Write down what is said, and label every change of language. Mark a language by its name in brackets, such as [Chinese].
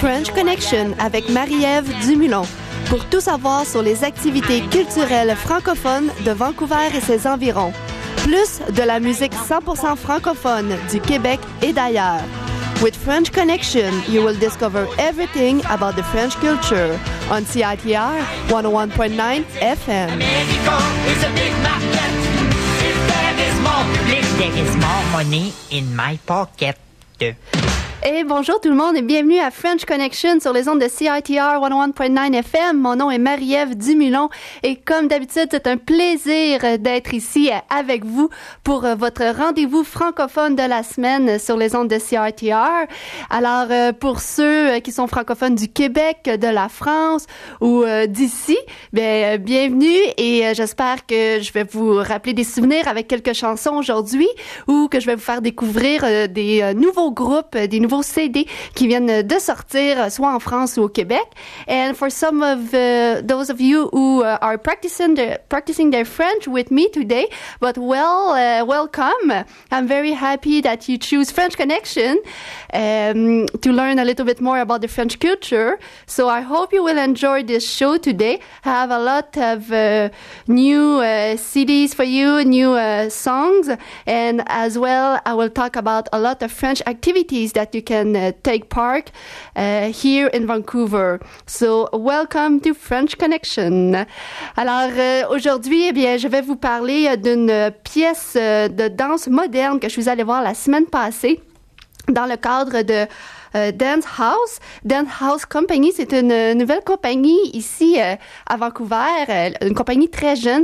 [French] French Connection avec Marie-Ève Dumoulin pour tout savoir sur les activités culturelles francophones de Vancouver et ses environs, plus de la musique 100% francophone du Québec et d'ailleurs. [English] With French Connection, you will discover everything about the French culture on CITR 101.9 FM. America is a big market. There is more money in my pocket. [French] Hey, bonjour tout le monde et bienvenue à French Connection sur les ondes de CITR 101.9 FM. Mon nom est Marie-Ève Dumoulin et comme d'habitude, c'est un plaisir d'être ici avec vous pour votre rendez-vous francophone de la semaine sur les ondes de CITR. Alors, pour ceux qui sont francophones du Québec, de la France ou d'ici, bienvenue et j'espère que je vais vous rappeler des souvenirs avec quelques chansons aujourd'hui ou que je vais vous faire découvrir des nouveaux groupes, des nouveaux CD qui viennent de sortir soit en France ou au Québec. [English] And for some of those of you who are practicing their French with me today, but well, welcome. I'm very happy that you choose French Connection to learn a little bit more about the French culture. So I hope you will enjoy this show today. I have a lot of new CDs for you, new songs, and as well, I will talk about a lot of French activities thatyou can take part here in Vancouver. So, welcome to French Connection. [French] Alors, aujourd'hui, eh bien, je vais vous parler d'une pièce de danse moderne que je suis allée voir la semaine passée dans le cadre de Dance House Company. C'est une nouvelle compagnie ici à Vancouver, une compagnie très jeune.